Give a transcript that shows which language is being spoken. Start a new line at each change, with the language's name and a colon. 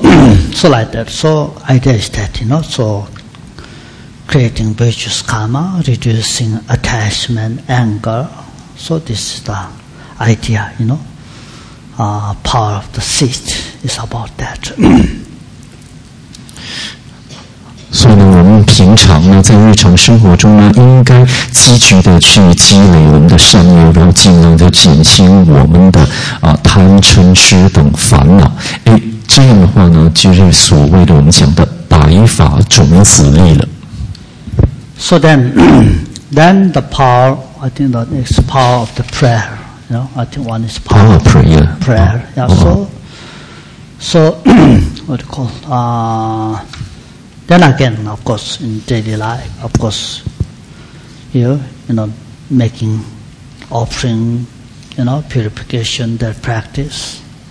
English: So idea is that, you know, so creating virtuous karma, reducing attachment, anger, so this is the idea, you know, power of the seed is about that.
Chinese: 所以呢，我们平常呢，在日常生活中呢，应该积极的去积累我们的善业，然后尽量的减轻我们的贪嗔痴等烦恼。哎，这样的话呢，就是所谓的我们讲的白发种子力了。
English: So then the power, I think the next power of the prayer, you know, I think one is power of prayer. Prayer, yeah. So what do you call? Then again, of course, in daily life, of course, you know, making offering, you know, purification, that practice.